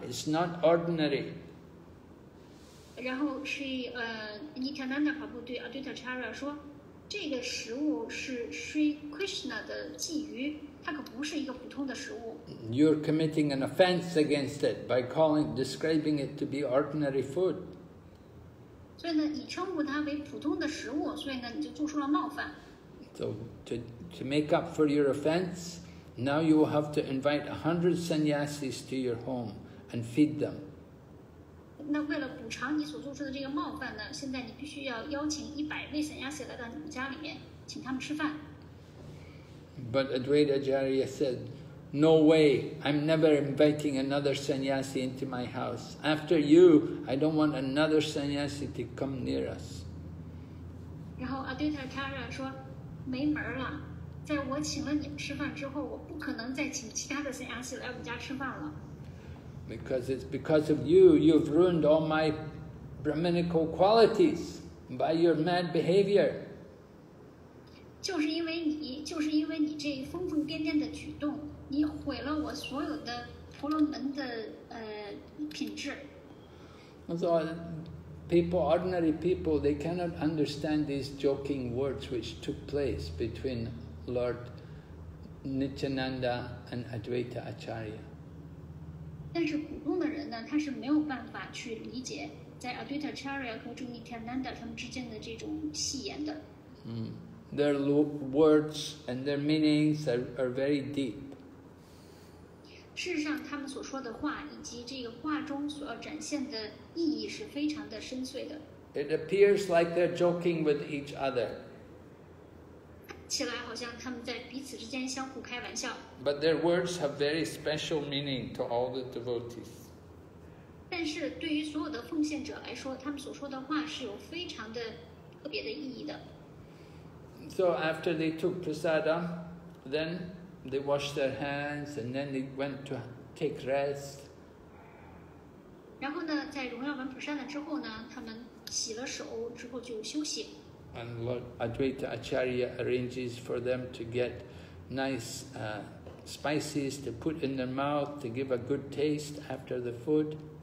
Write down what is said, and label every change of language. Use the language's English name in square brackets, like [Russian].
[English] It's not ordinary. You're committing an offense against it by calling, describing it to be ordinary food. So to make up for your offense, Now you will have to invite 100 sannyasis to your home and feed them. [Chinese] 那为了补偿你所做出的这个冒犯呢，现在你必须要邀请100位 sannyasi 来到你们家里面，请他们吃饭。 [English] But Advaita Acharya said, "No way! I'm never inviting another sannyasi into my house. After you, I don't want another sannyasi to come near us." [Chinese] 然后 Advaita Acharya 说，没门了，在我请了你们吃饭之后，我不可能再请其他的 sannyasi 来我们家吃饭了。 [English] Because it's because of you, you've ruined all my brahminical qualities by your mad behavior. [Chinese] 就是因为你，就是因为你这疯疯癫癫的举动，你毁了我所有的婆罗门的品质。 [English] So people, ordinary people, they cannot understand these joking words which took place between Lord Nityananda and Advaita Acharya. [Chinese] 但是普通的人呢，他是没有办法去理解在 Advaita Acharya 和 Juni Tiananda 他们之间的这种戏言的。 [English] Their words and their meanings are very deep. [Chinese] 事实上，他们所说的话以及这个话中所要展现的意义是非常的深邃的。 [English] It appears like they're joking with each other. [Chinese] 起来好像他们在彼此之间相互开玩笑。 [English] But their words have very special meaning to all the devotees. [Chinese] 但是对于所有的奉献者来说，他们所说的话是有非常的特别的意义的。 [English] So after they took prasada, then they washed their hands and then they went to take rest. [Chinese] 然后呢，在荣耀完prasada之后呢，他们洗了手之后就休息。 [English] And Lord Advaita Acharya arranges for them to get nice spices to put in their mouth to give a good taste after the food.